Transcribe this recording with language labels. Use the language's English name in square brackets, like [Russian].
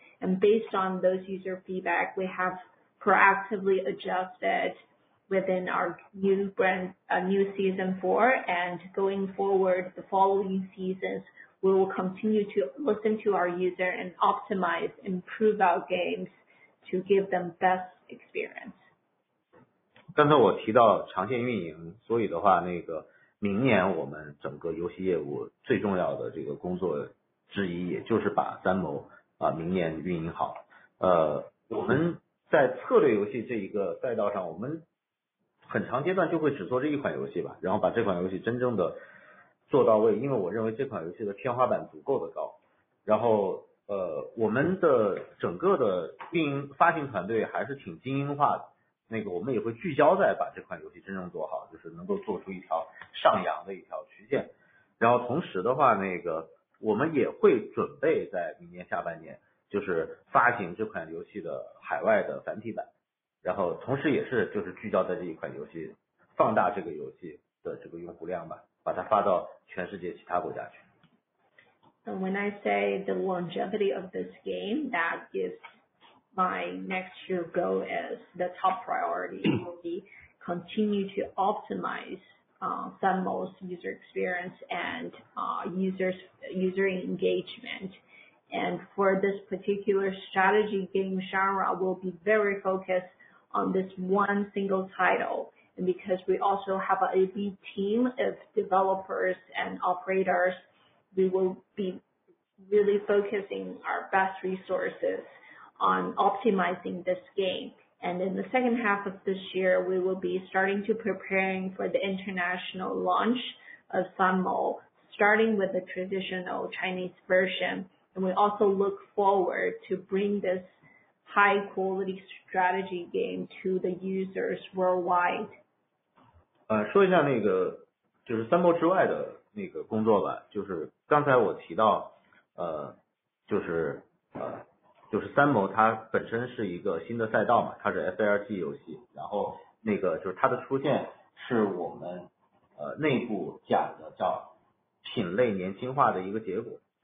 [English] And based on those user feedback, we have proactively adjusted within our new brand, new season four, and going forward, the following seasons, we will continue to listen to our user and optimize, improve our games to give them best experience. [Chinese] 刚才我提到长线运营，所以的话，那个明年我们整个游戏业务最重要的这个工作之一，也就是把三谋明年运营好。我们在策略游戏这一个赛道上，我们很长阶段就会只做这一款游戏吧，然后把这款游戏真正的做到位，因为我认为这款游戏的天花板足够的高。然后我们的整个的运营发行团队还是挺精英化的，那个我们也会聚焦在把这款游戏真正做好，就是能够做出一条上扬的一条曲线。然后同时的话，那个我们也会准备在明年下半年就是发行这款游戏的海外的繁体版，然后同时也是就是聚焦在这一款游戏，放大这个游戏的这个用户量吧，把它发到全世界其他国家去。 [English] And when I say the longevity of this game, that is my next year goal, is the top priority will be continue to optimize Sunmo's user experience and user engagement. And for this particular strategy game genre, we'll be very focused on this one single title. And because we also have a big team of developers and operators, we will be really focusing our best resources on optimizing this game. And in the second half of this year, we will be starting to preparing for the international launch of Sunmo, starting with the traditional Chinese version. And we also look forward to bring this high quality strategy game to the users worldwide. [Chinese] 说一下那个就是三谋之外的那个工作吧，就是刚才我提到就是三谋它本身是一个新的赛道嘛，它是 SLG 游戏，然后那个就是它的出现是我们内部讲的叫品类年轻化的一个结果。